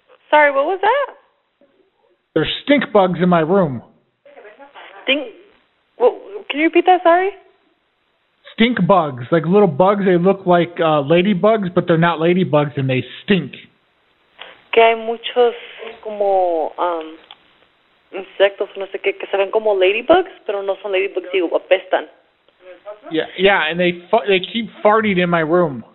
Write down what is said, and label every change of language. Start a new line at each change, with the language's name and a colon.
English: Sorry, what was that? There's stink bugs in my room. Stink? Well, can you repeat that, sorry? Stink bugs, like little bugs. They look like ladybugs, but they're not ladybugs, and they stink.
Spanish: Que hay muchos como insectos, no sé qué, que se ven como ladybugs, pero no son ladybugs, digo, apestan.
English: Yeah, and they keep farting in my room.